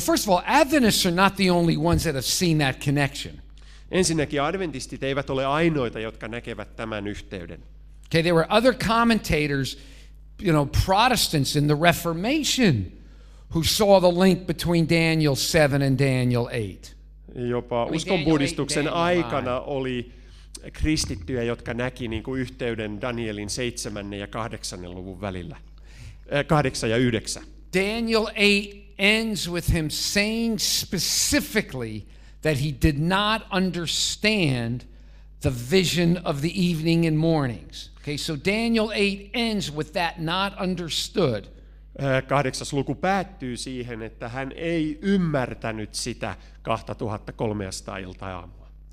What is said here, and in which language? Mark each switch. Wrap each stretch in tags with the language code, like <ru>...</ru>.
<en>First of all, Adventists are not the only ones that have seen that connection.</en> <fi>Ensinnäkin adventistit eivät ole ainoita, jotka näkevät tämän yhteyden.</fi> <en>Okay, there were other commentators, you know, Protestants in the Reformation, who saw the link between Daniel 7 and Daniel 8.</en> <fi>Jopa uskonpuhdistuksen aikana oli kristittyjä, jotka näki niin kuin yhteyden Danielin 7. ja 8. luvun välillä. 8 ja 9.</fi> <en>Daniel 8 ends with him saying specifically that he did not understand the vision of the evening and mornings. Okay, so Daniel 8 ends with that not understood.</en> <fi>8. luku päättyy siihen, että hän ei ymmärtänyt sitä 2300 iltaa aamua.</fi>